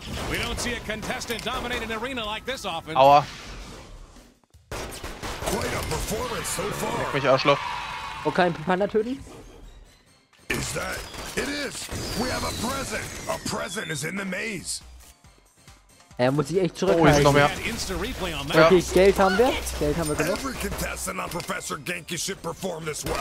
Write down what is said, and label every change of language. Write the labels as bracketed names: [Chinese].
[English] We don't see a contestant dominate an arena like this often. [German] Aua. [English] Quite a performance so far. [German] Leck mich, Arschloch. Wo kann ich einen Panda töten? [English] Is that? It is! We have a present! A present is in the maze! [German] Er muss sich echt zurückhalten. Oh, hier ist noch mehr. Okay, ja. Geld haben wir genug. [English] Every contestant on Professor Genki should perform this well.